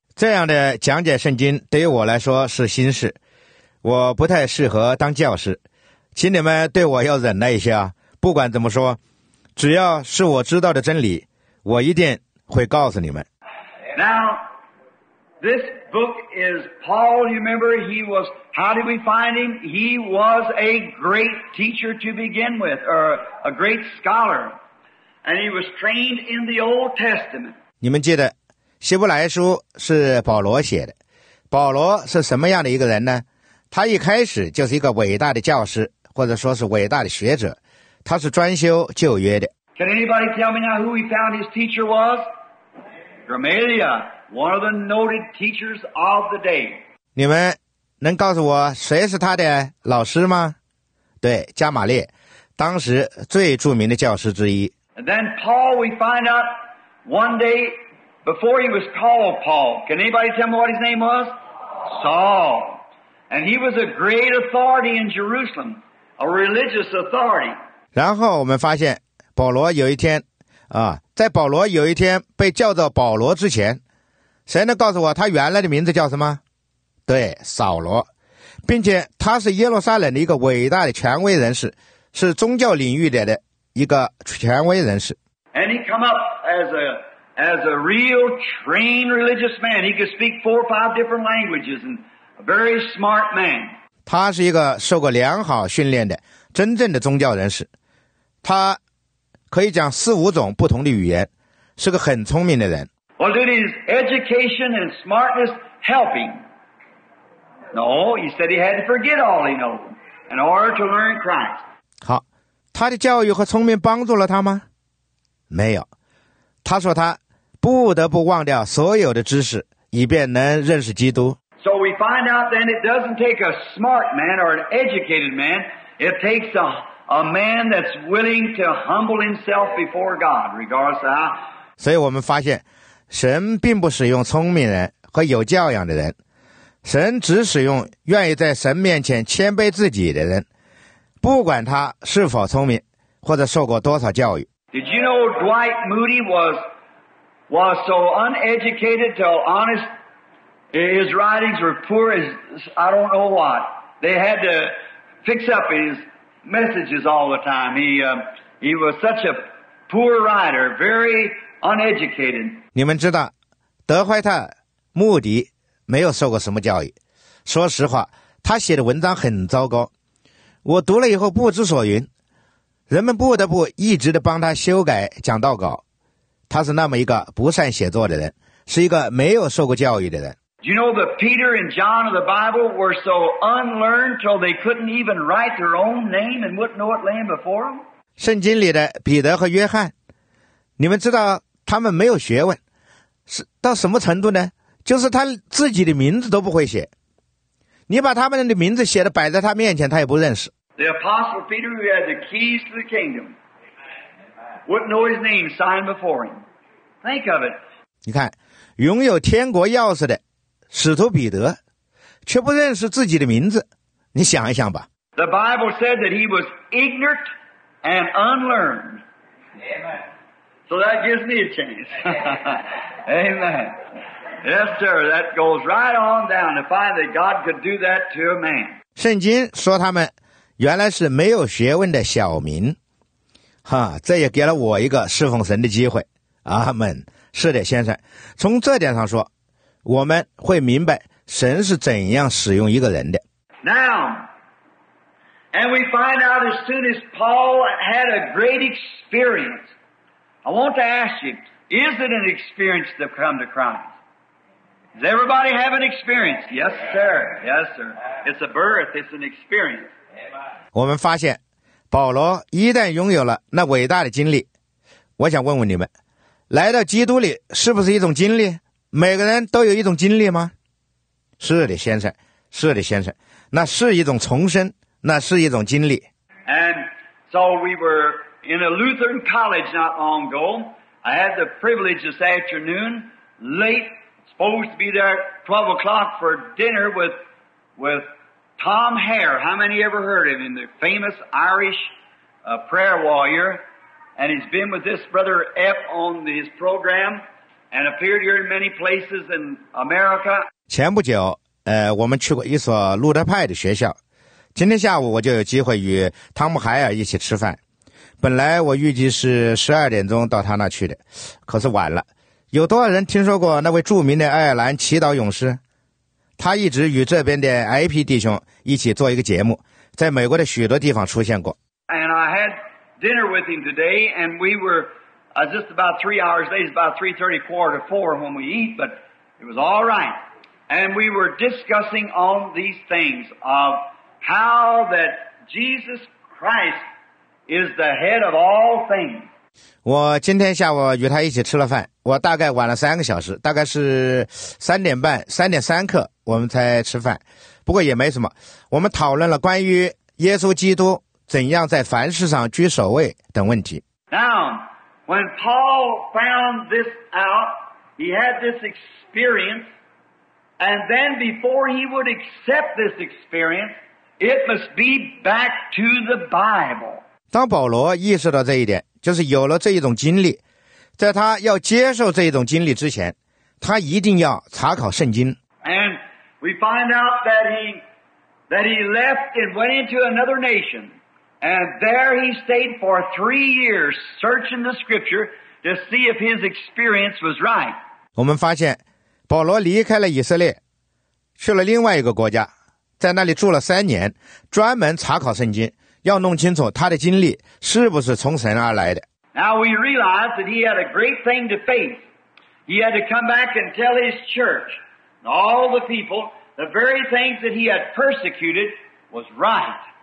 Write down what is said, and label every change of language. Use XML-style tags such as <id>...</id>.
<zh>这样的讲解圣经对于我来说是新事，我不太适合当教师，请你们对我要忍耐一下，不管怎么说，只要是我知道的真理，我一定会告诉你们。</zh> <en>Now, this book is Paul, you remember, he was, how did we find him? He was a great teacher to begin with, or a great scholar, and he was trained in the Old Testament.</en> <zh>你们记得，希伯来书是保罗写的，保罗是什么样的一个人呢？他一开始就是一个伟大的教师，或者说是伟大的学者。他是专修旧约的。</zh> <en>Can anybody tell me now who he found his teacher was? Gamaliel, one of the noted teachers of the day.</en> <zh>你们能告诉我谁是他的老师吗？对，加马列，当时最著名的教师之一。</zh> <en>And then Paul, we find out one day before he was called Paul. Can anybody tell me what his name was? Saul. And he was a great authority in Jerusalem, a religious authority.</en> <zh>然后我们发现保罗有一天在保罗有一天被叫做保罗之前，谁能告诉我他原来的名字叫什么？对，扫罗，并且他是耶路撒冷的一个伟大的权威人士，是宗教领域的一个权威人士。</zh> <en>And he come up as a real trained religious man. He could speak 4 or 5 different languages and a very smart man.</en> <zh>他是一个受过良好训练的真正的宗教人士，他可以讲四五种不同的语言，是个很聪明的人。</zh> <en>Well, did his education and smartness help him? No, he said he had to forget all he knew in order to learn Christ.</en> <zh>好，他的教育和聪明帮助了他吗？没有，他说他不得不忘掉所有的知识，以便能认识基督。</zh> <en>So we find out then it doesn't take a smart man or an educated man, it takes a man that's willing to humble himself before God, regardless of how.</en> <zh>所以我们发现，神并不使用聪明人和有教养的人，神只使用愿意在神面前谦卑自己的人，不管他是否聪明或者受过多少教育。</zh> <en>Did you know Dwight Moody was so uneducated till honest his writings were poor as I don't know what? They had to fix up his messages all the time. He was such a poor writer, very uneducated.</en> <zh>你们知道，德怀特·穆迪没有受过什么教育。说实话，他写的文章很糟糕，我读了以后不知所云。人们不得不一直的帮他修改讲道稿。他是那么一个不善写作的人，是一个没有受过教育的人。</zh> <en>Do you know that Peter and John of the Bible were so unlearned till they couldn't even write their own name and wouldn't know what lay before them?</en> <zh>圣经里的彼得和约翰，你们知道他们没有学问，是到什么程度呢？就是他自己的名字都不会写。你把他们的名字写的摆在他面前，他也不认识。</zh> <en>The apostle Peter, who had the keys to the kingdom, wouldn't know his name signed before him. Think of it. 你看，拥有天国钥匙的使徒彼得却不认识自己的名字，你想一想吧。 The Bible said that he was ignorant and unlearned. Amen. So that gives me a chance. Amen. Yes, sir, that goes right on down to find that God could do that to a man.</en> <zh>圣经说他们原来是没有学问的小民，这也给了我一个侍奉神的机会。阿们。是的，先生，从这点上说，我们会明白神是怎样使用一个人的。</zh> <en>Now, and we find out as soon as Paul had a great experience, I want to ask you, is it an experience to come to Christ? Does everybody have an experience? Yes, sir. Yes, sir. It's a birth, it's an experience.</en> <zh>我们发现保罗一旦拥有了那伟大的经历，我想问问你们，来到基督里是不是一种经历？每个人都有一种经历吗？是的，先生，是的，先生，那是一种重生，那是一种经历。</zh> <en>And so we were in a Lutheran college not long ago. I had the privilege this afternoon, late, supposed to be there at 12 o'clock for dinner with Tom Hare. How many ever heard of him? The famous Irish prayer warrior. And he's been with this brother F on his program and appeared here in many places in America.</en> <zh>前不久我们去过一所路德派的学校。今天下午我就有机会与汤姆海尔一起吃饭。本来我预计是12点钟到他那去的，可是晚了。有多少人听说过那位著名的爱尔兰祈祷勇士？他一直与这边的 IP 弟兄一起做一个节目，在美国的许多地方出现过。</zh> <en>And I had dinner with him today, and we were just about 3 hours late, about 3:30, quarter to four when we eat, but it was all right. And we were discussing on these things of how that Jesus Christ is the head of all things.</en> <zh>我今天下午与他一起吃了饭，我大概晚了3个小时，大概是3:30、3:03我们才吃饭，不过也没什么，我们讨论了关于耶稣基督怎样在凡事上居首位等问题。</zh> <en>Now, when Paul found this out, he had this experience, and then before he would accept this experience, it must be back to the Bible.</en> <zh>当保罗意识到这一点，就是有了这一种经历，在他要接受这一种经历之前，他一定要查考圣经。</zh> <en>And we find out that he left and went into another nation. And there he stayed for 3 years searching the scripture to see if his experience was right.</en> <zh>我们发现保罗离开了以色列，去了另外一个国家，在那里住了3年，专门查考圣经，要弄清楚他的经历是不是从神而来的。</zh> <en>Now we realize that he had a great thing to face. He had to come back and tell his church and all the people the very things that he had persecuted was right.</en>